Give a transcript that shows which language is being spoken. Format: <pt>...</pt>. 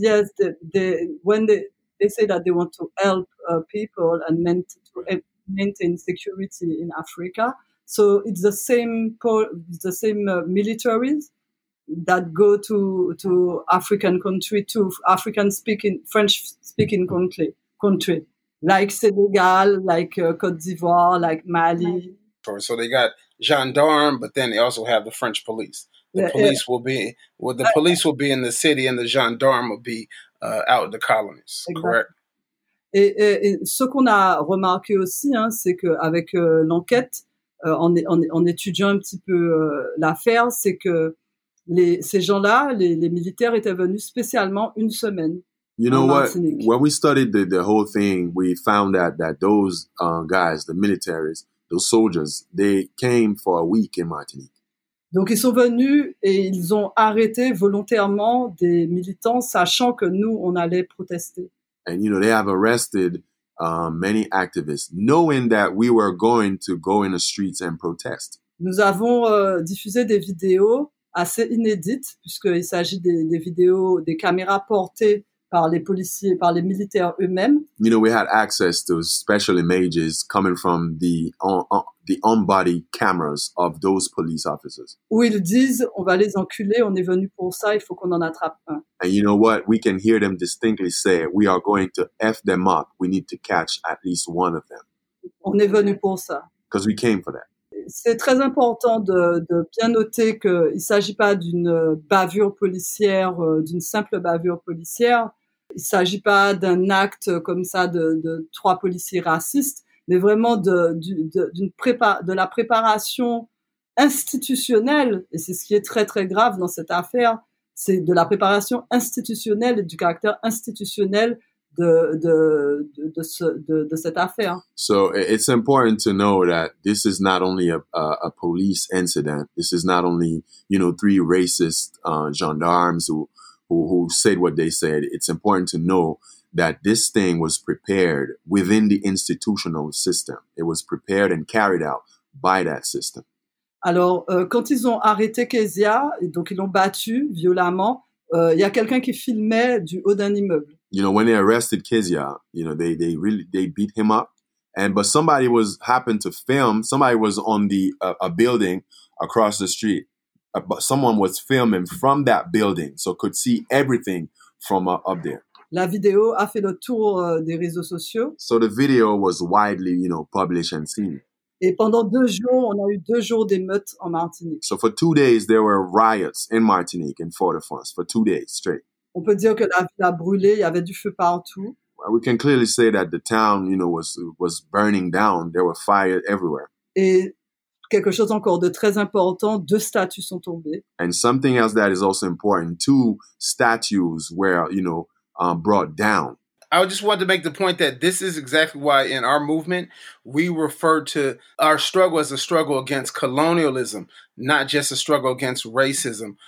<en>When they say that they want to help people and maintain security in Africa, so it's the same militaries that go to African country, to French-speaking country, like Senegal, like Côte d'Ivoire, like Mali. So they got gendarmes, but then they also have the French police. The police will be in the city and the gendarmes will be out in the colonies, exactly. Correct?</en> <fr>Et ce qu'on a remarqué aussi, hein, c'est que avec l'enquête, en étudiant un petit peu l'affaire, c'est que ces gens-là, les militaires, étaient venus spécialement une semaine.</fr> <en>You know what? When we studied the whole thing, we found out that those guys, the militaries, those soldiers, they came for a week in Martinique.</en> <fr>Donc ils sont venus et ils ont arrêté volontairement des militants, sachant que nous, on allait protester.</fr> <en>And you know they have arrested many activists, knowing that we were going to go in the streets and protest.</en> <fr>Nous avons diffusé des vidéos assez inédites puisqu'il s'agit des vidéos des caméras portées par les policiers, par les militaires eux-mêmes.</fr> <en>You know we had access to special images coming from the on-body cameras of those police officers.</en> <fr>Où ils disent, on va les enculer, on est venu pour ça, il faut qu'on en attrape un.</fr> <en>And you know what? We can hear them distinctly say, we are going to F them up. We need to catch at least one of them.</en> <fr>On est venu pour ça.</fr> <en>Because we came for that.</en> <fr>C'est très important de bien noter qu'il ne s'agit pas d'une bavure policière, d'une simple bavure policière. Il ne s'agit pas d'un acte comme ça de trois policiers racistes. Mais vraiment de la préparation institutionnelle, et c'est ce qui est très très grave dans cette affaire, c'est de la préparation institutionnelle et du caractère institutionnel de cette affaire.</fr> <en>So it's important to know that this is not only a police incident. This is not only, you know, three racist gendarmes who said what they said. It's important to know that this thing was prepared within the institutional system. It was prepared and carried out by that system.</en> <fr>Alors, quand ils ont arrêté Kezia, donc ils l'ont battu violemment, il y a quelqu'un qui filmait du haut d'un immeuble.</fr> <en>You know, when they arrested Kezia, you know, they beat him up. But somebody was on the a building across the street. But someone was filming from that building, so could see everything from up there.</en> <fr>La vidéo a fait le tour des réseaux sociaux.</fr> <en>So the video was widely, you know, published and seen.</en> <fr>Et pendant deux jours, on a eu deux jours d'émeutes en Martinique.</fr> <en>So for 2 days, there were riots in Martinique and Fort-de-France for 2 days straight.</en> <fr>On peut dire que la ville a brûlé, il y avait du feu partout.</fr> <en>We can clearly say that the town, you know, was burning down. There were fires everywhere.</en> <fr>Et quelque chose encore de très important, deux statues sont tombées.</fr> <en>And something else that is also important, two statues were, you know, brought down. I just wanted to make the point that this is exactly why in our movement, we refer to our struggle as a struggle against colonialism, not just a struggle against racism.</en>